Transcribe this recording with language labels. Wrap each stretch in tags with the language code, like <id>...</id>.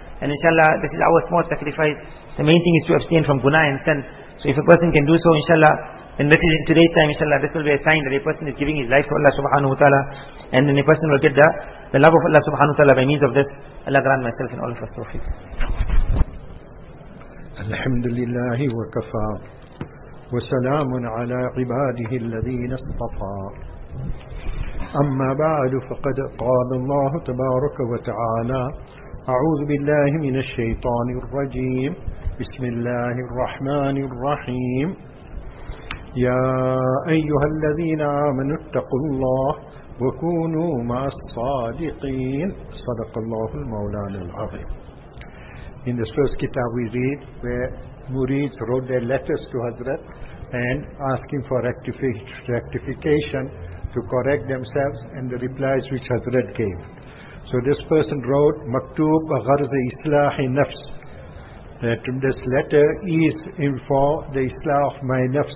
<en>And inshallah, this is our small sacrifice. The main thing is to abstain from guna and sin. So if a person can do so, inshallah, then that is in today's time, inshallah, this will be a sign that a person is giving his life to Allah subhanahu wa ta'ala. And then a person will get the love of Allah subhanahu wa ta'ala by means of this. Allah grant myself and all of us tawfiq.</en> <ar>الحمد لله وكفى وسلام على عباده الذين اصطفى أما بعد فقد قال الله تبارك وتعالى أعوذ بالله من الشيطان الرجيم بسم الله الرحمن الرحيم يا أيها الذين آمنوا اتقوا الله وكونوا مع الصادقين صدق الله المولانا العظيم.</ar> <en>In this first kitab we read where murids wrote their letters to Hazrat and asking for rectification to correct themselves and the replies which Hazrat gave. So this person wrote,</en> <ur>Maktub gharz islahi nafs,</ur> <en>that this letter is for the islah of my nafs.</en>